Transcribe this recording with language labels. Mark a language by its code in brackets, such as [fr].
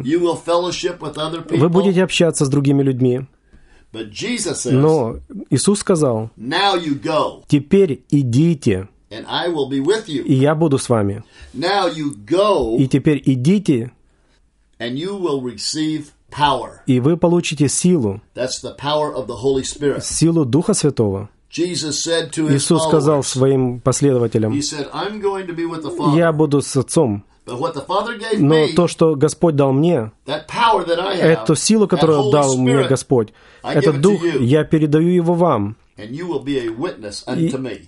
[ru] Вы будете общаться с другими людьми. Но Иисус сказал: «Теперь идите, и я буду с вами». И теперь идите, и вы получите power. И вы получите силу. [en] That's the power of the Holy Spirit. [ru] Силу Духа Святого. [en] Jesus said to his [ru] Иисус сказал [en] followers, [ru] своим последователям: [en] he said, I'm going to be with the Father. [ru] Я буду с Отцом. [en] But what the Father gave [ru] Но [en] me, [ru] то, что Господь дал мне, [en] that power that I have, [ru] эту силу, которую [en] that Holy [ru] дал [en] Spirit, [ru] мне Господь, [en] I [ru] этот Дух, я передаю его вам. [en] And you will be a witness unto me.